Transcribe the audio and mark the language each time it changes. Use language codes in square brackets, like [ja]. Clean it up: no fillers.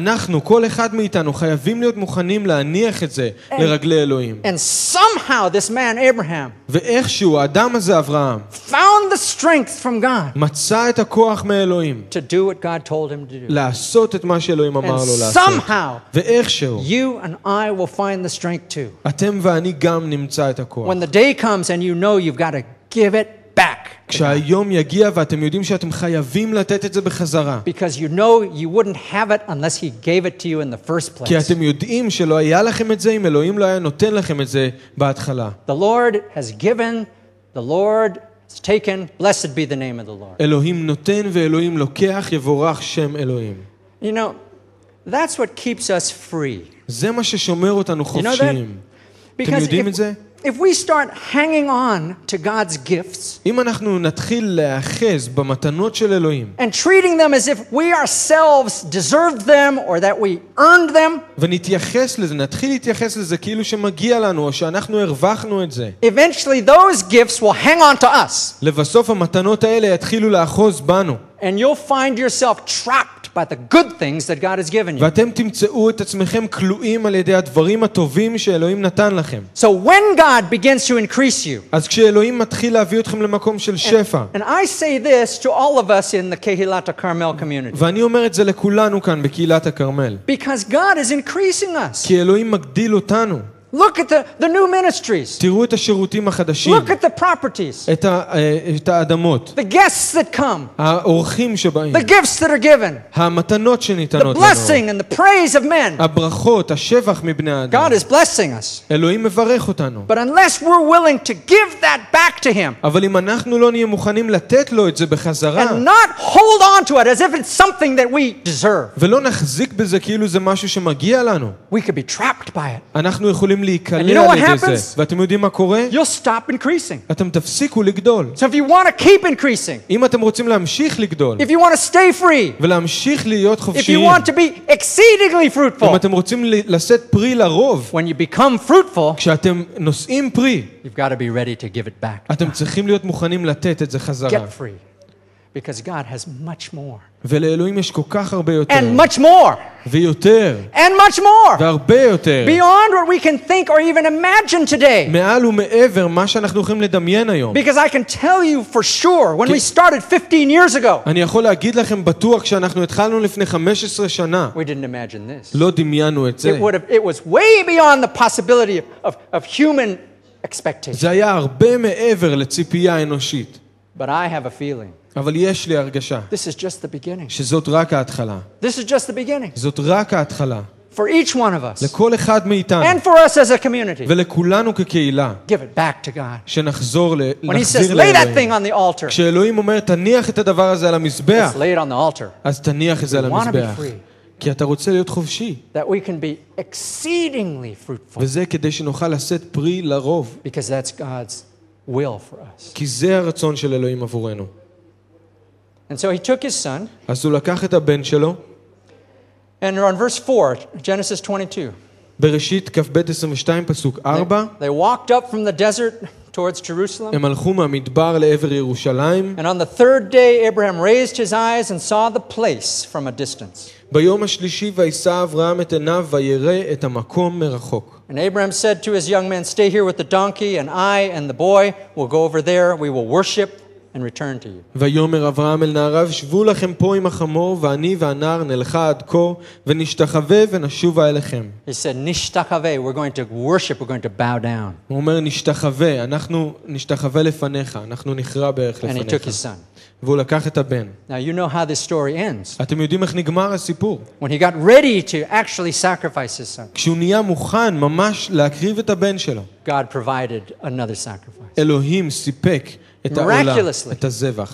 [en] And somehow this man, Abraham, found the strength from God to do what God told him to do. And somehow you and I will find the strength too. When the day comes and you know you've got to give it back. [he] כשהיום יגיע ואתם יודעים שאתם חייבים לתת את זה בחזרה. [en] Because you know you wouldn't have it unless he gave it to you in the first place. [he] כי אתם יודעים שלא היה לכם את זה אם אלוהים לא היה נותן לכם את זה בהתחלה. [en] The Lord has given, the Lord has taken, blessed be the name of the Lord. [he] אלוהים נותן ואלוהים לוקח, יבורך שם אלוהים. [en] You know, that's what keeps us free. [he] זה מה ששומר אותנו חופשיים. אתם יודעים את זה? [en] If we start hanging on to God's gifts, [he] אם אנחנו נתחיל להאחז במתנות של אלוהים, [en] and treating them as if we ourselves deserved them or that we earned them, [he] ונתייחס לזה, נתחיל להתייחס לזה כאילו שמגיע לנו או שאנחנו הרווחנו את זה, [en] eventually those gifts will hang on to us. [he] לבסוף המתנות האלה יתחילו לאחוז בנו. [en] And you'll find yourself trapped by the good things that God has given you. [he] ואתם תמצאו את עצמכם כלואים על ידי הדברים הטובים שאלוהים נתן לכם. [en] So when God begins to increase you, [he] אז כשאלוהים מתחיל להביא אתכם למקום של שפע, [en] and I say this to all of us in the Kehilat HaKarmel community, [he] ואני אומר את זה לכולנו כאן בקהילת הכרמל, [en] because God is increasing us, [he] כי אלוהים מגדיל אותנו. [en] Look at the new ministries. [he] תראו את השירותים החדשים. [en] Look at the properties. [he] את האדמות. [en] The guests that come. [he] האורחים שבאים. [en] The gifts that are given. [he] המתנות שניתנות לנו. [en] The blessing and the praise of men. [he] הברכות, השבח מבני האדם. [en] God is blessing us. [he] אלוהים מברך אותנו. [en] But unless we're willing to give that back to him, [he] אבל אם אנחנו לא נהיה מוכנים לתת לו את זה בחזרה, [en] and not hold on to it as if it's something that we deserve, [he] ולא נחזיק בזה כאילו זה משהו שמגיע לנו, [en] we could be trapped by it. [he] אנחנו יכולים [en] And you know what happens? [he] ואתם יודעים מה קורה? [en] You'll stop increasing. [he] אתם תפסיקו לגדול. [en] So if you want to keep increasing, [he] אם אתם רוצים להמשיך לגדול, [en] if you want to stay free, [he] ולהמשיך להיות חופשיים, [en] if you want to be exceedingly fruitful, [he] אם אתם רוצים לשאת פרי לרוב, [en] when you become fruitful, [he] כשאתם נושאים פרי, [en] you've got to be ready to give it back. [he] אתם צריכים להיות מוכנים לתת את זה חזרה. [en] Get free, because God has much more. [he] ולאלוהים יש כל כך הרבה יותר. [en] And much more. [he] ויותר. [en] And much more. [he] והרבה יותר. [en] Beyond what we can think or even imagine today. [he] מעל ומעבר מה שאנחנו יכולים לדמיין היום. [en] Because I can tell you for sure when we started 15 years ago. [he] אני יכול להגיד לכם בטוח שאנחנו התחלנו לפני 15 שנה. [en] We didn't imagine this. [he] לא דמיינו את זה. [en] It was way beyond the possibility of human expectation. [he] זה היה הרבה מעבר לציפייה אנושית. [en] But I have a feeling. [he] אבל יש לי הרגשה. [en] This is just the beginning. [he] שזאת רק ההתחלה. [en] This is just the beginning. [he] זאת רק ההתחלה. [en] For each one of us. [he] לכל אחד מאיתנו. [en] And for us as a community. [he] ולכולנו כקהילה. [en] Give it back to God. [he] שנחזור לאלוהים. [en] When he says, lay that thing on the altar. [he] כשאלוהים אומר תניח את הדבר הזה על המזבח. [en] Let's lay it on the altar. [he] אז תניח את זה על המזבח. כי אתה רוצה להיות חופשי. [en] That we can be exceedingly fruitful. [he] וזה כדי שנוכל לשאת פרי לרוב. [en] Because that's God's will for us. [he] כי זה הרצון של אלוהים עבורנו. [en] And so he took his son. [he] אז הוא לקח את הבן שלו. [en] And on verse 4, Genesis 22. [he] בראשית כ"ב 22 פסוק 4. [en] They walked up from the desert towards Jerusalem. [he] הם הלכו מהמדבר לעבר ירושלים. [en] And on the third day Abraham raised his eyes and saw the place from a distance. [he] ביום השלישי וישא אברהם את עיניו וירא את המקום מרחוק. [en] And Abraham said to his young men, stay here with the donkey and I and the boy will go over there, we will worship and return to you. [he] ויאמר אברהם אל נערב, שבו לכם פה עם החמור, ואני והנער נלכה עד כה, ונשתחווה ונשובה אליכם. [en] He said, נשתחווה, we're going to worship, we're going to bow down. [he] הוא אומר, נשתחווה, אנחנו נשתחווה לפניך, אנחנו נכרע בערך לפניך. [en] And he took his son. [he] והוא לקח את הבן. [en] Now you know how this story ends. [he] אתם יודעים איך נגמר הסיפור. [en] When he got ready to actually sacrifice his son. [he] כשהוא נהיה מוכן ממש להקריב את הבן שלו. [en] God provided another sacrifice. [he] אלוהים סיפק את העולה, את הזבח.